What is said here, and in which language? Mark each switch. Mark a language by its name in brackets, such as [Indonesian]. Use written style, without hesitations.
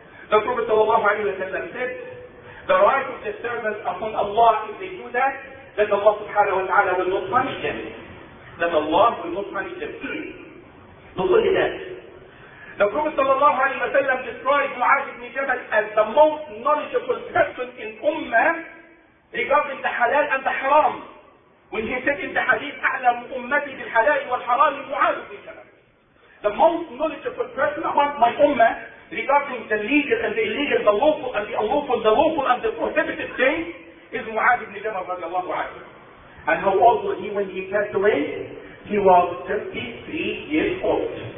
[English] The Prophet sallallahu alayhi wa sallam said, the right of the servant upon Allah if they do that, then Allah subhanahu wa ta'ala will not punish them. That Allah will not punish them. Look at that. The Prophet sallallahu alayhi wa sallam described Mu'adh ibn Jabal as the most knowledgeable person in Ummah regarding the halal and the haram. When he said in the hadith, [Arabic] أَعْلَمُ أُمَّتِي بِالْحَلَالِ وَالْحَرَامِ مُعَادُ بِنْ شَبَلْ. [English] The most knowledgeable person among my ummah regarding the legal and the illegal, the lawful and the unlawful, the lawful and the prohibited things is Mu'adh ibn Jabal رضي الله عنه. And how old was he when he passed away? He was 33 years old.